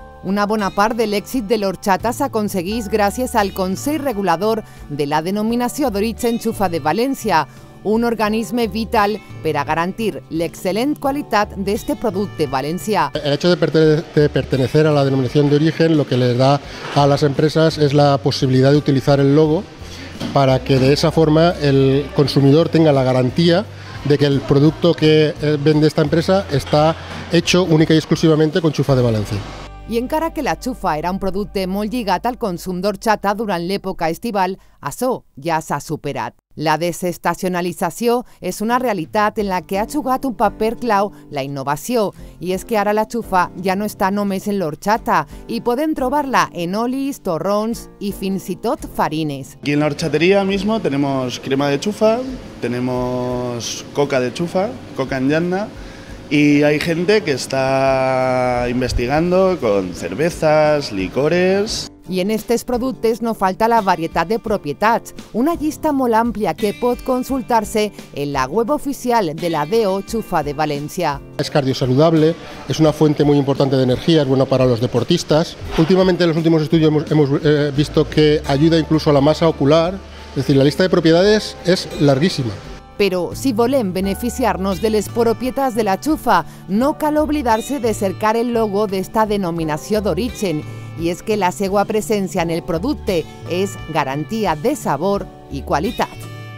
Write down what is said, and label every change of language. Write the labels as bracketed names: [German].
[Catalan] Una bona part de l'èxit de l'horchata s'aconsegueix gràcies al Consell Regulador de la Denominació d'Origen Xufa de València, un organisme vital per a garantir l'excel·lent qualitat d'aquest producte valencià. [Spanish] El hecho de pertenecer a la Denominación de Origen lo que les da a las empresas es la posibilidad de utilizar el logo para que de esa forma el consumidor tenga la garantía de que el producto que vende esta empresa está hecho única y exclusivamente con Xufa de València. [Catalan] I encara que la xufa era un producte molt lligat al consum d'orxata durant l'època estival, això ja s'ha superat. La desestacionalització és una realitat en la que ha jugat un paper clau la innovació, i és que ara la xufa ja no està només en l'orxata, i podem trobar-la en olis, torrons i fins i tot farines. [Spanish] Aquí en la horchatería mismo tenemos crema de xufa, tenemos coca de xufa, coca en llanda, y hay gente que está investigando con cervezas, licores. Y en estos productos no falta la variedad de propiedades, una lista muy amplia que puede consultarse en la web oficial de la DO Xufa de València. Es cardiosaludable, es una fuente muy importante de energía, es buena para los deportistas. Últimamente, en los últimos estudios, hemos visto que ayuda incluso a la masa ocular, es decir, la lista de propiedades es larguísima. [Catalan] Però si volem beneficiar-nos de les propietats de la xufa, no cal oblidar-se de cercar el logo d'esta denominació d'origen, i és que la seva presència en el producte és garantia de sabor i qualitat.